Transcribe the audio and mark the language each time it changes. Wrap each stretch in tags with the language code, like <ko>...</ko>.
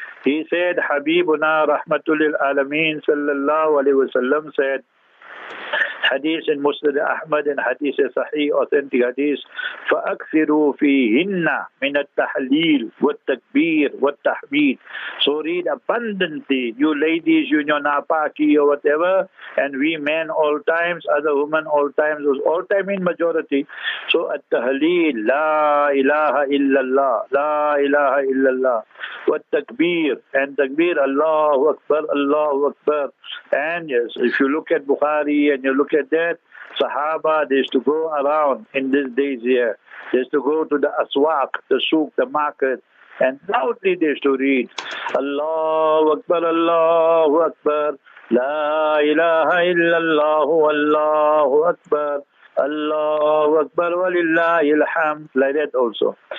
<en>He said, Habibuna rahmatulil alameen sallallahu alayhi wa sallam said, hadith in Musnad Ahmad and hadith in Sahih, authentic hadith,</en> <ar>فَأَكْثِرُوا فِيهِنَّ مِنَ التَّحْلِيلِ وَالتَّكْبِيرِ وَالتَّحْمِيدِ.</ar> <en>So read abundantly, you ladies, you know, napaki or whatever, and we men all times, other women all times, all time in majority.</en> <ar>So التَّحْلِيل, لا إله إلا الله, لا إله إلا الله, والتكبير, and takbir, Allahu Akbar, Allahu Akbar.</ar> <en>And yes, if you look at Bukhari and you look at that, Sahaba, they used to go around in these days here. They used to go to the aswaq, the souk, the market, and loudly they used to read, Allahu Akbar, Allahu Akbar, La ilaha illallah, Allahu Akbar, Allahu Akbar, walillahi alhamd, like that also.</en>